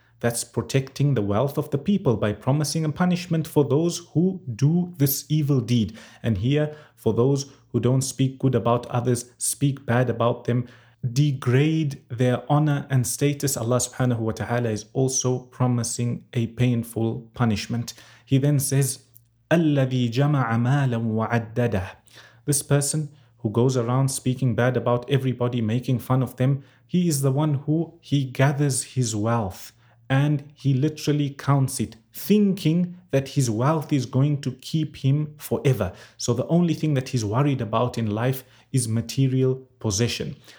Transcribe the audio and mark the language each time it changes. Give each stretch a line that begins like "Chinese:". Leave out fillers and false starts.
English: That's protecting the wealth of the people by promising a punishment for those who do this evil deed. And here, for those who don't speak good about others, speak bad about them, degrade their honor and status, Allah subhanahu wa ta'ala is also promising a painful punishment. He then says,
Arabic: الَّذِي جَمَعَ مَالًا وَعَدَّدَهُ.
English: This person who goes around speaking bad about everybody, making fun of them, he is the one who he gathers his wealth. And he literally counts it, thinking that his wealth is going to keep him forever. So the only thing that he's worried about in life is material possession.